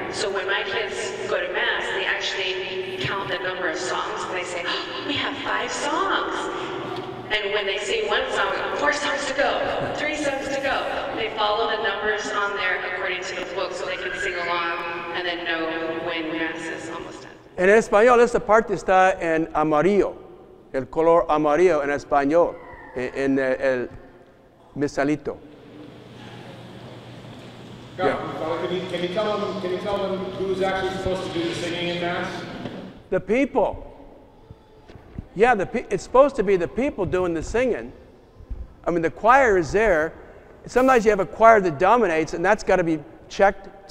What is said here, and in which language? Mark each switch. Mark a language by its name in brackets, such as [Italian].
[English] So when my kids go to Mass, they actually count the number of songs, and they say, oh, we have 5 songs. And when they sing one song, 4 songs to go, 3 songs to go. They follow the numbers on there according to the book so they can sing along and then know when Mass is almost done. [Spanish] En español, esta parte está en amarillo. El color amarillo en español, en el misalito. [English] God, yeah. Can you tell them who's actually supposed to do the singing in Mass? The people. Yeah, it's supposed to be the people doing the singing. I mean, the choir is there. Sometimes you have a choir that dominates, and that's got to be checked.